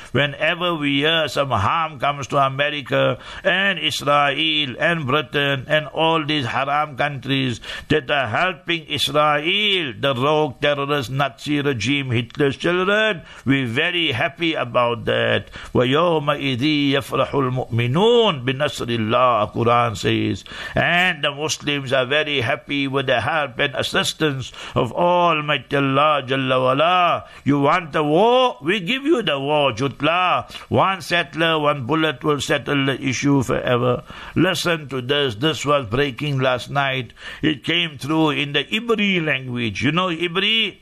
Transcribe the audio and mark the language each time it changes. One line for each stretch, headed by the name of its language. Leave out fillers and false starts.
English: Whenever we hear some harm comes to America and Israel and Britain and all these haram countries that are helping Israel, the rogue terrorist Nazi regime, Hitler's children, we're very happy about that.
Arabic: وَيَوْمَ إِذِي يَفْرَحُ الْمُؤْمِنُونَ بِنَصْرِ اللَّهِ,
English: Quran says. And the Muslims are very happy with the help and assistance of Almighty Allah Jalla Wala. You want the war? We give you the war, Jutla. One settler, one bullet will settle the issue forever. Listen to this. This was breaking last night. It came through in the Ibri language. You know Ibri?